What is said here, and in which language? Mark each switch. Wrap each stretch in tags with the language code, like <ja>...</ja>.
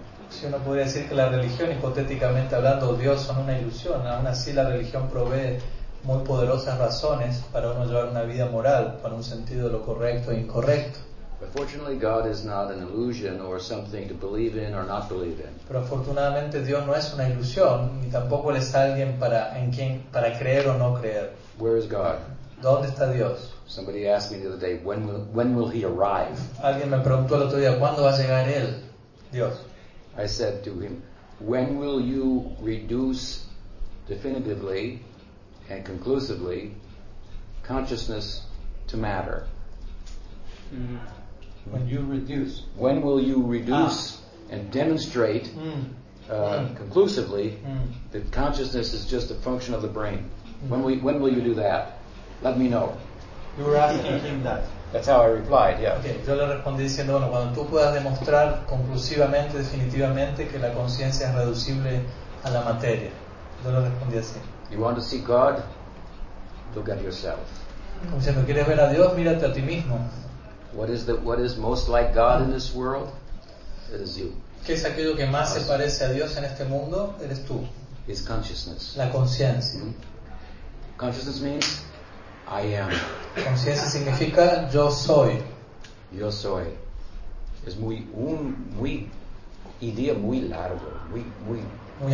<es>si uno podría decir que la religión, hipotéticamente hablando, o Dios son una ilusión, aún así la religión provee muy poderosas razones para uno llevar una vida moral, para un sentido de lo correcto e incorrecto.</es> <en>Fortunately, God is not an illusion or something to believe in or not believe in.</en> <es>Pero afortunadamente Dios no es una ilusión ni tampoco es alguien para en quien para creer o no creer.</es> <en>Where is God?</en> <es>¿Dónde está Dios?</es> <en>Somebody asked me the other day, when will he arrive?</en> <es>Alguien me preguntó el otro día, ¿cuándo va a llegar él? Dios.</es> <en>I said to him, when will you reduce definitively and conclusively consciousness to matter? Mm-hmm. When you reduce. When will you reduce and demonstrate conclusively that consciousness is just a function of the brain? Mm-hmm. When will you do that? Let me know. You were asking him that. That's how I replied, yeah. Okay.</en> <es>Yo le respondí diciendo, bueno, cuando tú puedas demostrar conclusivamente, definitivamente, que la conciencia es reducible a la materia. Yo le respondí así.</es> <en>You want to see God? Look at yourself.</en> <es>Como diciendo, ¿quieres ver a Dios? Mírate a ti mismo.</es> <en>What is most like God in this world? It is you.</en> <es>¿Qué es aquello que más se parece a Dios en este mundo? Eres tú.</es> <en>His consciousness.</en> <es>La conciencia.</es> <en>Mm-hmm. Consciousness means I am.</en> <es>Conciencia significa yo soy. Yo soy. Es muy muy idea muy largo, muy</es>